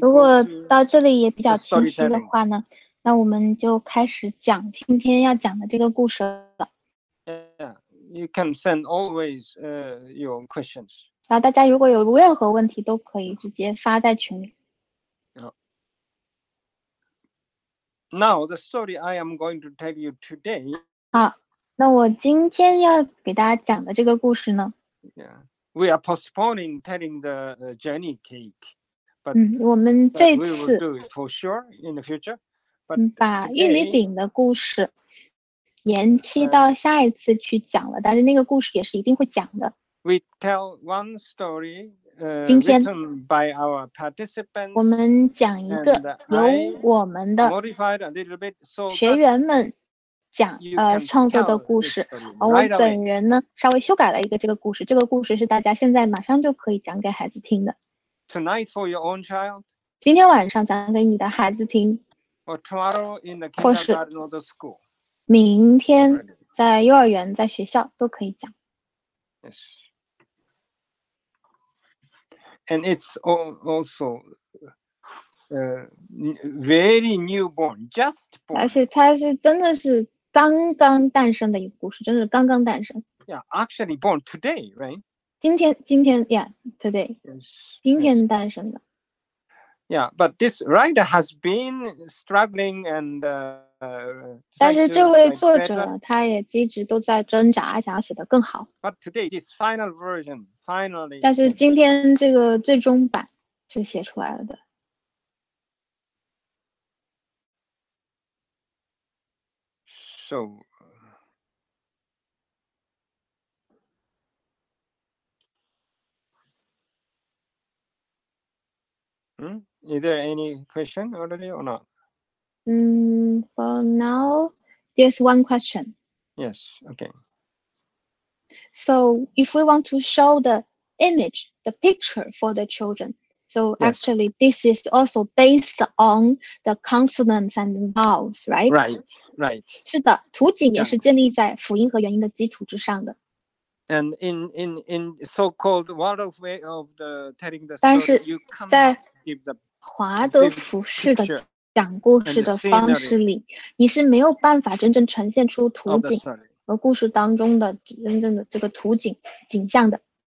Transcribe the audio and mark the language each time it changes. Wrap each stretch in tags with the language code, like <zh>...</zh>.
<zh>如果到这里也比较清晰的话呢，那我们就开始讲今天要讲的这个故事了。</zh> <en>Yeah, you can send always your questions.</en> <zh>然后大家如果有任何问题都可以直接发在群里。</zh> <en>Now, the story I am going to tell you today.</en> <zh>好。那我今天要给大家讲的这个故事呢</zh> <en>？Yeah, we are postponing telling the journey cake, but</en> <zh>我们这次</zh> <en>we will do it for sure in the future. But</en> <zh>把玉米饼的故事延期到下一次去讲了，但是那个故事也是一定会讲的。</zh> <en>We tell one story,</en> <zh>今天</zh> <en>written by our participants.</en> <zh>我们讲一个由我们的</zh> <en>modified a little bit so</en> <zh>学员们。讲创作的故事，而我本人呢稍微修改了一个这个故事，这个故事是大家现在马上就可以讲给孩子听的。</zh> <en>Tonight for your own child.</en> <zh>今天晚上讲给你的孩子听。</zh> <en>Or tomorrow in the kindergarten or the school.</en> <zh>明天在幼儿园、在学校都可以讲。</zh> <en>Yes. And it's also very newborn, just born.</en> <zh>而且它是真的是。刚刚诞生的一个故事，真的是刚刚诞生。</zh> <en>Yeah, actually born today, right?</en> <zh>今天</zh> <en>，yeah, today. Yes.</en> <zh>今天诞生的。</zh> <en>Yeah, but this writer has been struggling and.</en> <zh>但是这位作者他也一直都在挣扎，想要写得更好。</zh> <en>But today, this final version, finally.</en> <zh>但是今天这个最终版是写出来了的。</zh> <en>So, is there any question already or not? For now, there's one question. Yes, okay. So, if we want to show the image, the picture for the children, so yes. Actually, this is also based on the consonants and vowels, right? Right. Right.</en> <zh>是的，图景也是建立在辅音和元音的基础之上的。</zh> <en>And in so-called world of way of the telling the story,</en> <zh>但是在华德福式的</zh> <en>picture,</en> <zh>讲故事的方式里，你是没有办法真正呈现出图景和故事当中的真正的这个图景景象的。</zh>